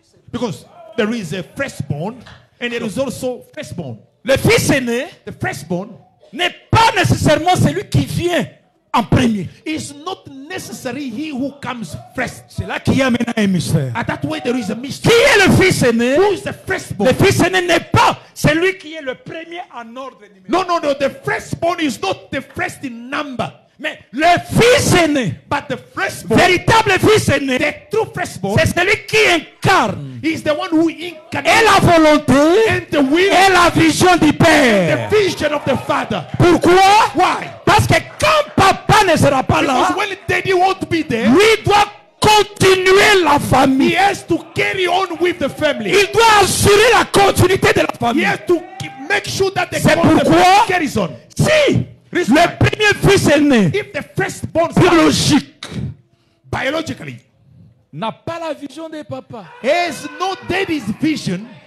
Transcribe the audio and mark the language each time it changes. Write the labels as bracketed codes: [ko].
[en] Because there is a firstborn and there is also firstborn. [fr] Le fils aîné, [en] the firstborn, [fr] n'est pas nécessairement celui qui vient en premier. [en] It's not necessary he who comes first. [fr] C'est là qu'il y a maintenant un mystère. [en] At that way there is a mystery. [fr] Qui est le fils aîné? [en] Who is the firstborn? [fr] Le fils aîné n'est pas celui qui est le premier en ordre. [en] No, no, no. The firstborn is not the first in number. [fr] Mais le fils aîné, [en] but the firstborn, [fr] véritable fils aîné, [en] the true firstborn, [fr] c'est celui qui incarne, [en] is the one who incarnate, [fr] et la volonté, [en] and the will, [fr] et la vision du père, [en] and the vision of the father. [fr] Pourquoi? [en] Why? [fr] Parce que quand papa ne sera pas [en] because [fr] là, [en] when daddy won't be there, [fr] lui doit continuer la famille. [en] He has to carry on with the family. [fr] Il doit assurer la continuité de la famille. [en] He has to make sure that the [fr] c'est pourquoi? [en] Family carries on. [fr] Si le premier fils aîné, [en] if the firstborn, [fr] biologique, [en] biologically, [fr] n'a pas la vision de papa, [en] has no daddy's vision,